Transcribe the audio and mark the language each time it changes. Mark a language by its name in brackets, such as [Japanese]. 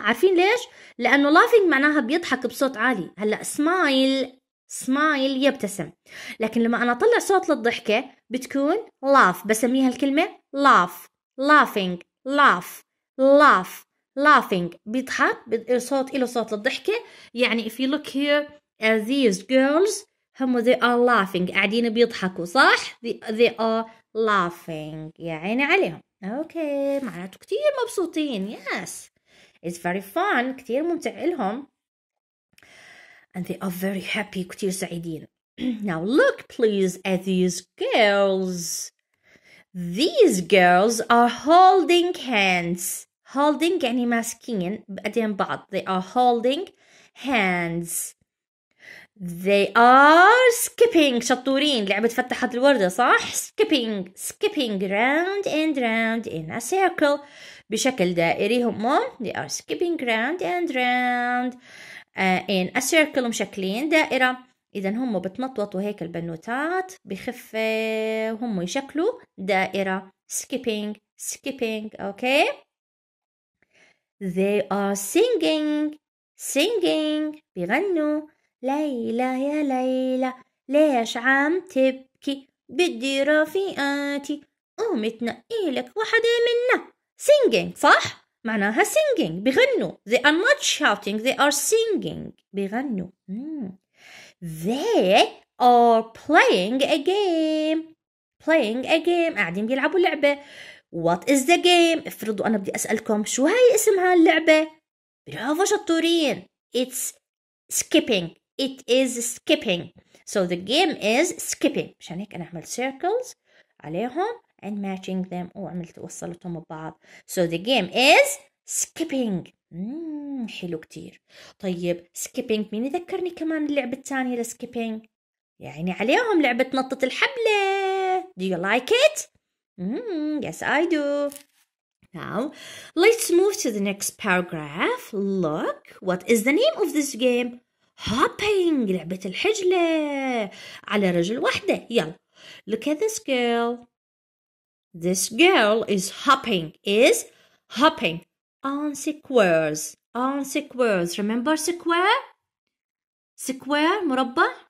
[Arabic] عارفين ليش؟ لأنه laughing معناها بيضحك بصوت عالي. هلأ smile, smile يبتسم. لكن لما أنا أطلع صوت للضحكة بتكون laugh. [English] بسميها الكلمة laugh, laughing, laugh, laugh, laughing. [Arabic] بيضحك بصوت إله صوت للضحكة. [English] يعني if you look here at these girls, هم they are laughing. [Arabic] قاعدين بيضحكوا صح؟ [English] they are laughing. [Arabic] يا عيني عليهم. اوكي معناته كتير مبسوطين. [English] Yes. It's very fun. [Arabic] كتير ممتع لهم. [English] And they are very happy. [Arabic] كتير سعيدين. [English] Now look please at these girls. These girls are holding hands. [Arabic] Holding يعني ماسكين بأيدين بعض. [English] They are holding hands. They are skipping. [Arabic] شطورين. لعبة فتحت الوردة صح. [English] Skipping. Skipping round and round in a circle. [Arabic] بشكل دائري هم. [English] They are skipping round and round in a circle. [Arabic] مشكلين دائرة. إذن هم بتنطوطوا هيك البنوتات بخفة. هم يشكلوا دائرة. [English] Skipping. Skipping. Okay. They are singing. Singing. [Arabic] بيغنوا. ليلى يا ليلى ليش عم تبكي بدي رفيقاتي قومي تنقي لك واحدة منا. Singing صح. معناها singing بيغنوا. [English] They are not shouting, they are singing [Arabic] بيغنوا. [English] They are playing a game. Playing a game [Arabic] قاعدين يلعبوا لعبة. [English] What is the game؟ [Arabic] افرضوا أنا بدي أسألكم شو هاي اسمها اللعبة؟ برافو شطورين. [English] It's skipping. It is skipping. So the game is skipping. [Arabic] مشان هيك أنا أعمل [English] circles عليهم and matching them. [Arabic] وعملت وصلتهم ببعض. [English] So the game is skipping. [Arabic] حلو كتير. طيب skipping مين يذكرني كمان اللعبة الثانية لskipping؟ يعني عليهم لعبة نطة الحبلة. [English] Do you like it؟ Yes, I do. Now, let's move to the next paragraph. Look, what is the name of this game? [Arabic] Hopping, لعبة الحجلة على رجل واحدة. [English] يلا. Look at this girl. This girl is hopping. Is hopping on squares. On squares. Remember square? Square, مربع.